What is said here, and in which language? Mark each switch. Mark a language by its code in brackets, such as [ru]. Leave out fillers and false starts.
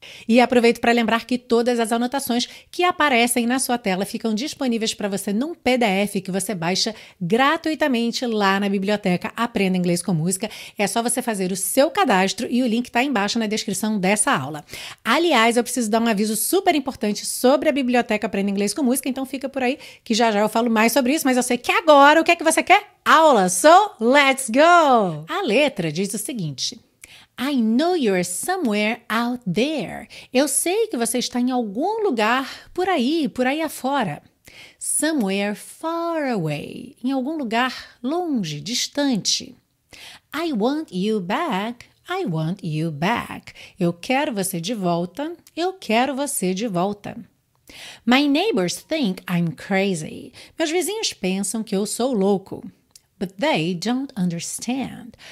[pt] E aproveito para lembrar que todas as anotações que aparecem na sua tela ficam disponíveis para você num PDF que você baixa gratuitamente lá na biblioteca Aprenda Inglês com Música. É só você fazer o seu cadastro e o link está embaixo na descrição dessa aula. Aliás, eu preciso dar um aviso super importante sobre a biblioteca Aprenda Inglês com Música, então fica por aí que já já eu falo mais sobre isso, mas eu sei que agora o que é que você quer? Aula! [en] So, let's go! [pt] A letra diz o seguinte... [en] I know you're somewhere out there. [pt] Eu sei que você está em algum lugar por aí afora. [en] Somewhere far away. [pt] Em algum lugar longe, distante. [en] I want you back. I want you back. [pt] Eu quero você de volta. Eu quero você de volta. [en] My neighbors think I'm crazy. [pt] Meus vizinhos pensam que eu sou louco. [en] But they don't understand.